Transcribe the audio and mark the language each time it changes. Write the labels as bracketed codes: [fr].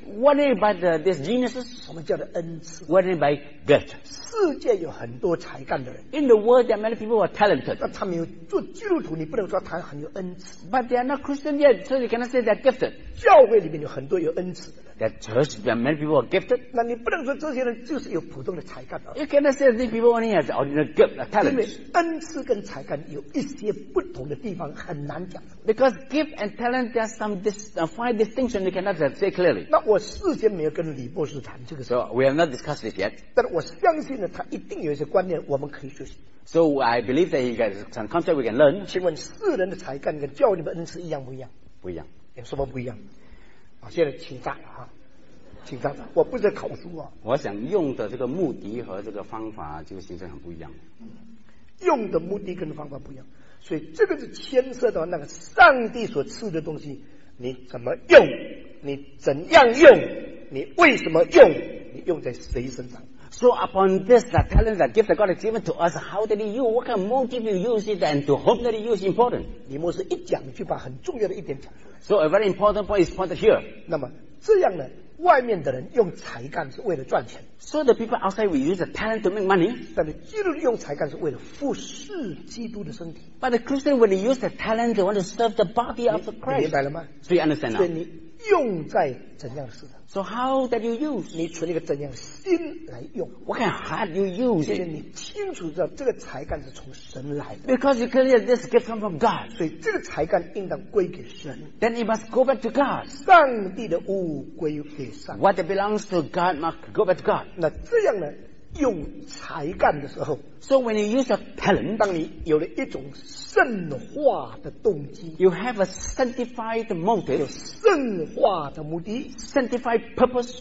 [en] What about this geniuses? [zh] 什么叫做恩赐？ [en] What about gift? [zh] 世界有很多才干的人。 [en] In the world, there are many people who are talented. [zh] 但他们有做基督徒，你不能说他很有恩赐。 [en] But they are not Christian yet, so you cannot say they are gifted. [zh] 教会里面有很多有恩赐的。 [en] That church, there are many people who are gifted. [zh] 那你不能说这些人就是有普通的才干。 [en] You cannot say these people only have ordinary gift, talent. [zh] 因为恩赐跟才干有一些不同的地方，很难讲。 [en] Because gift and talent, there are some fine distinction you cannot say clearly. [zh] 那我事先没有跟李博士谈这个事。 [en] So we have not discussed it yet. [zh] 但我相信呢，他一定有一些观念我们可以学习。 [en] So I believe that he has some concept we can learn. [zh] 请问世人的才干跟教会的恩赐一样不一样？不一样。有什么不一样？现在请站啊，请站！我不是口述啊。我想用的这个目的和这个方法就形成很不一样。用的目的跟方法不一样，所以这个是牵涉到那个上帝所赐的东西，你怎么用，你怎样用，你为什么用，你用在谁身上 [en] ？So upon this, the talent that gift that God has given to us, how did you? What kind of motive you use it, and to hope that you use important? [zh] 李牧师一讲就把很重要的一点讲出来。 [en] So a very important point is pointed here. [zh] 那么这样呢，外面的人用才干是为了赚钱。 [en] So the people outside we use the talent to make money. [zh] 但是基督徒用才干是为了服侍基督的身体。 [en] But the Christian when they use the talent they want to serve the body of the Christ. [zh] 你明白了吗？ [en] So you understand now? [zh] 所以你用在怎样的事上？ [en] So how that you use? [zh] 你存一个怎样的心来用？ [en] What kind of heart you use? [zh] 因为你清楚知道这个才干是从神来的。 [en] Because you clearly this gift come from God. [zh] 所以这个才干应当归给神。 [en] Then it must go back to God. [zh] 上帝的物归给上帝。 [en] What belongs to God must go back to God. [zh] 那这样呢？用才干的时候 [en] ，So when you use your talent， [zh] 当你有了一种圣化的动机 [en] ，You have a sanctified motive， [zh] 有圣化的目的 [en] ，sanctified purpose，